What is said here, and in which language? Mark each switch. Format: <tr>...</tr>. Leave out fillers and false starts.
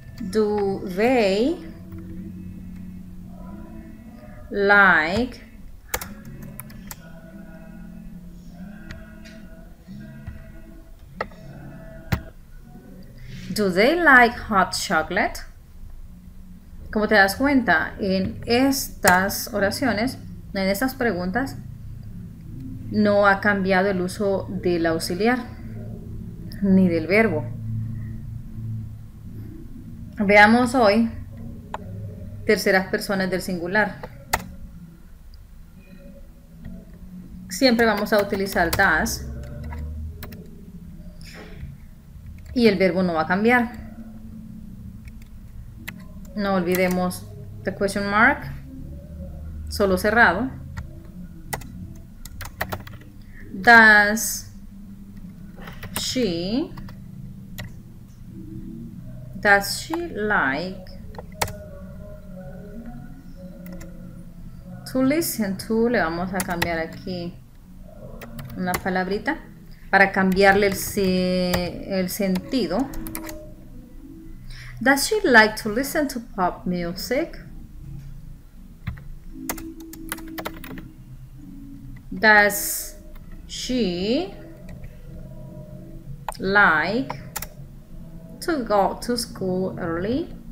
<en>Do they like Do they like hot chocolate?</en> <es>Como te das cuenta, en estas oraciones, en estas preguntas, no ha cambiado el uso del auxiliar ni del verbo. Veamos hoy terceras personas del singular. Siempre vamos a utilizar does. Y el verbo no va a cambiar. No olvidemos</es> <en>the question mark,</en> <es>solo cerrado.</es> <en>Does she like to listen to?</en> <es>Le vamos a cambiar aquí una palabrita. Para cambiarle el sentido.</es> <en>Does she like to listen to pop music? Does she like to go to school early?</en>